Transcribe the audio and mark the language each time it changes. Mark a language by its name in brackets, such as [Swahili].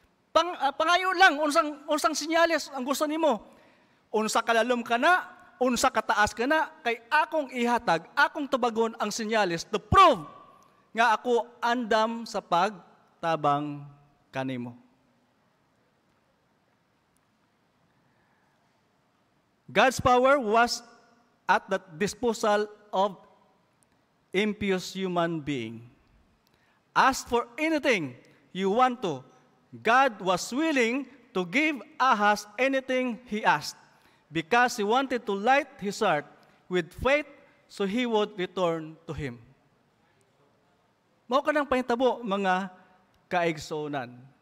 [Cebuano] Pangayo lang unsang sinyalis ang gusto nimo. Unsa kalalom kana, unsa kataas kana, kay akong ihatag, akong tubagon ang sinyalis [English] to prove [Cebuano] nga ako andam sa pagtabang kanimo. [English] God's power was at the disposal of impious human being. Ask for anything you want to. God was willing to give Ahas anything he asked because he wanted to light his heart with faith so he would return to him. [Cebuano] Mao ka nang pahitabo mga kaigsoonan.